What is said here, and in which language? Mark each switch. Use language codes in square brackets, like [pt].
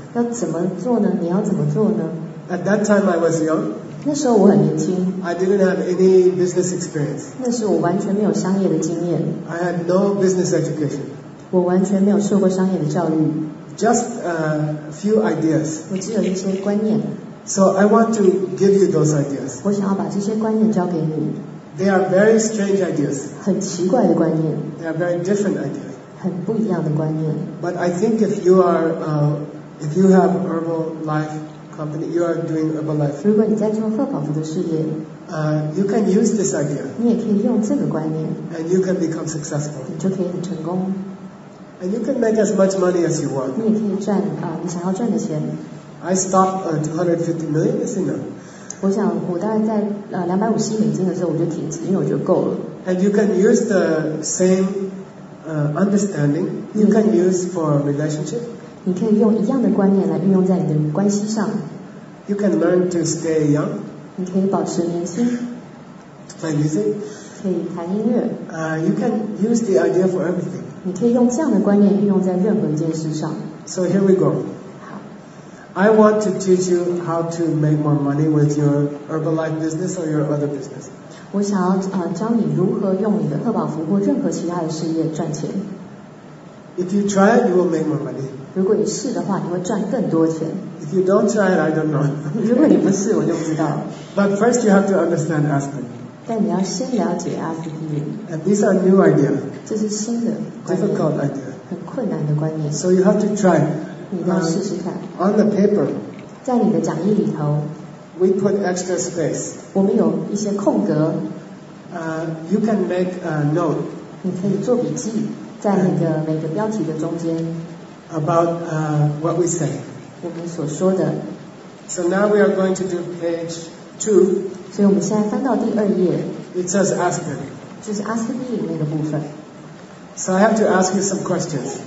[zh] 要怎么做呢？你要怎么做呢？ [en] At that time I was young. [zh] 那时候我很年轻。 [en] I didn't have any business experience. [zh] 那时候我完全没有商业的经验。 [en] I had no business education. [zh] 我完全没有受过商业的教育。 [en] Just a few ideas. [zh] 我只有一些观念。 [en] So I want to give you those ideas. [zh] 我想要把这些观念交给你。 [en] They are very strange ideas. [zh] 很奇怪的观念。 [en] They are very different ideas. [zh] 很不一样的观念。 [en] But I think if you are, if you have herbal life company, you are doing herbal life. [zh] 如果你在做赫宝福的事业， [en] you can use this idea. [zh] 你也可以用这个观念。 [en] And you can become successful. [zh] 你就可以很成功。 [en] And you can make as much money as you want. [zh] 你也可以赚你想要赚的钱。 [en] I stopped at 250 million, isn't it? [zh] 我想我大概在$250的时候我就停止，因为我觉得够了。 [en] And you can use the same understanding you can use for a relationship. [zh] 你可以用一样的观念来运用在你的关系上。 [en] You can learn to stay young. [zh] 你可以保持年轻。 [en] By music. [zh] 可以弹音乐。 [en] You can use the idea for everything. [zh] 你可以用这样的观念运用在任何一件事上。 [en] So here we go. I want to teach you how to make more money with your Herbalife business or your other business. [zh] 我想要教你如何用你的赫宝福或任何其他的事业赚钱。 [en] If you try it, you will make more money. [zh] 如果你试的话，你会赚更多钱。 [en] If you don't try it, I don't know. [zh] 如果你不试，我就不知道。 [en] But first, you have to understand aspen. [zh] 但你要先了解 aspen. [en] And these are new ideas. [zh] 这是新的。 [en] Difficult idea. [zh] 很困难的观念。 [en] So you have to try. [zh] 你要试试看。 [en] On the paper, [zh] 在你的讲义里头 [en] we put extra space. [zh] 我们有一些空格。 [en] You can make a note. [zh] 你可以做笔记，在那个每个标题的中间。 [en] About what we say. [zh] 我们所说的。 [en] So now we are going to do page 2. [zh] 所以我们现在翻到第二页。 [en] It says aspirin. [zh] 就是 aspirin 那个部分。 [en] So I have to ask you some questions.